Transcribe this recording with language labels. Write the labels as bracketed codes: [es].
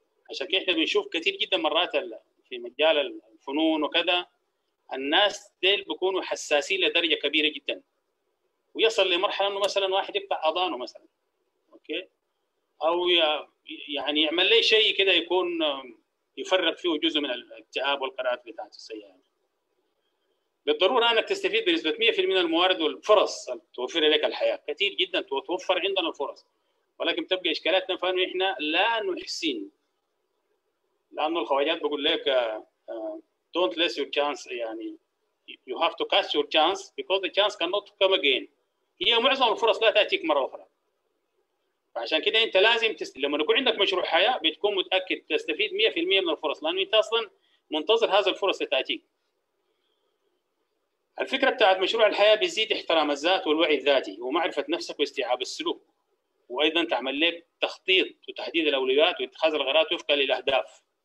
[ar] عشان كده احنا بنشوف كثير جدا مرات في مجال الفنون وكذا، الناس ديل بيكونوا حساسين لدرجه كبيره جدا، ويصل لمرحله انه مثلا واحد يقطع اذانه مثلا، اوكي، او يعني يعمل لي شيء كده يكون يفرق فيه جزء من الاكتئاب والقرارات بتاعته السيئه. بالضروره انك تستفيد بنسبه 100% من الموارد والفرص اللي توفر لك الحياه، كثير جدا توفر عندنا الفرص، ولكن تبقى اشكالاتنا فانه احنا لا نحسن. لانه الخواجات بقول لك [en] don't lose your chance، [ar] يعني [en] you have to catch your chance because the chance cannot come again. [ar] هي معظم الفرص لا تاتيك مره اخرى. فعشان كده انت لازم لما يكون عندك مشروع حياه بتكون متاكد تستفيد 100% من الفرص، لانه انت اصلا منتظر هذه الفرص لتاتيك. الفكرة بتاعت مشروع الحياة بيزيد احترام الذات والوعي الذاتي ومعرفة نفسك واستيعاب السلوك، وأيضا تعمل لك تخطيط وتحديد الأولويات واتخاذ القرارات وفقا للأهداف.